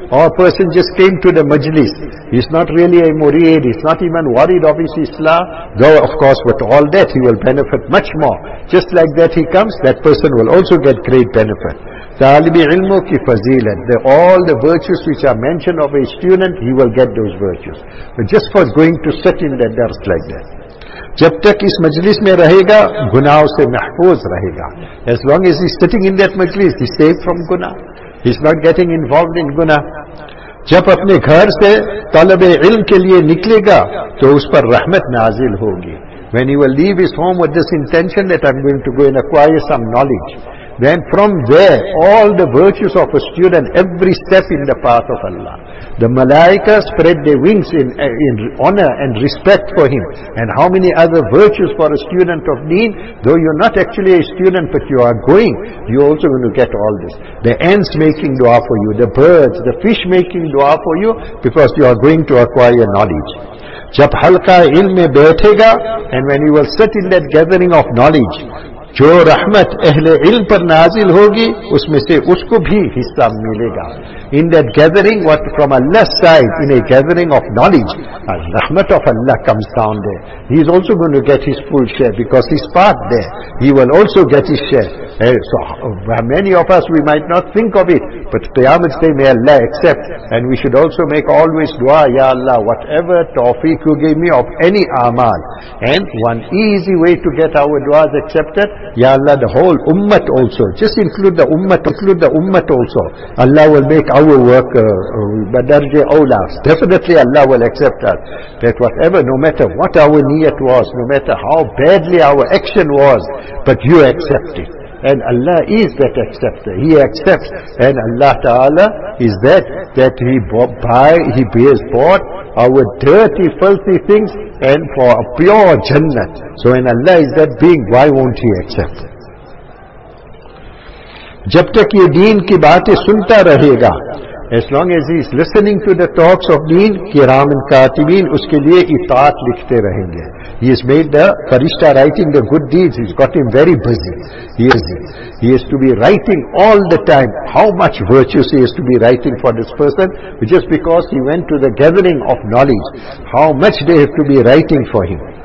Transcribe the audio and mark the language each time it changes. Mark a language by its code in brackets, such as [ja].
[en] Or a person just came to the majlis, he's not really a murid, he's not even worried of his islah, though of course with all that he will benefit much more. Just like that he comes, that person will also get great benefit. Talibi ilmu ki fazilat, all the virtues which are mentioned of a student, he will get those virtues. But just for going to sit in the dars like that. [ur] جب تک اس مجلس میں رہے گا گناہوں سے محفوظ رہے گا. [en] As long as he's sitting in that majlis, he's safe from guna. He's not getting involved in guna. [ur] جب اپنے گھر سے طلب علم کے لیے نکلے گا تو اس پر رحمت نازل ہوگی. [en] When he will leave his home with this intention that I'm going to go and acquire some knowledge, then from there all the virtues of a student, every step in the path of Allah, the malaika spread their wings in honor and respect for him. And how many other virtues for a student of deen, though you're not actually a student but you are going, you're also going to get all this. The ants making dua for you, the birds, the fish making dua for you, because you are going to acquire knowledge. [ur] جب حلقہ علم میں بیٹھے گا, [en] and when you will sit in that gathering of knowledge, [ur] جو رحمت اہل علم پر نازل ہوگی اس میں سے اس کو بھی حصہ ملے گا. [en] In that gathering, what from Allah's side, in a gathering of knowledge, a rahmat of Allah comes down there, he is also going to get his full share, because he's part there, he will also get his share. So many of us, we might not think of it, but Qiyamah's day may Allah accept, and we should also make always dua, Ya Allah, whatever tawfiq you gave me of any amal. And one easy way to get our duas accepted, Ya Allah, the whole ummat also, just include the ummat also, Allah will make our work badarje awla. Definitely Allah will accept us. That whatever, no matter what our niyat was, no matter how badly our action was, but you accept it. And Allah is that acceptor. He accepts. And Allah Ta'ala is that he bears our dirty, filthy things, and for a pure jannat. So when Allah is that being, why won't he accept? [ur] جب تک یہ دین کی باتیں سنتا رہے گا, [en] as long as he is listening to the talks of deen, [ur] کرام کاتبین اس کے لیے اطاعت لکھتے رہیں گے. [en] He has made the farishta writing the good deeds, he's got him very busy. He has to be writing all the time how much virtues he has to be writing for this person, just because he went to the gathering of knowledge, how much they have to be writing for him.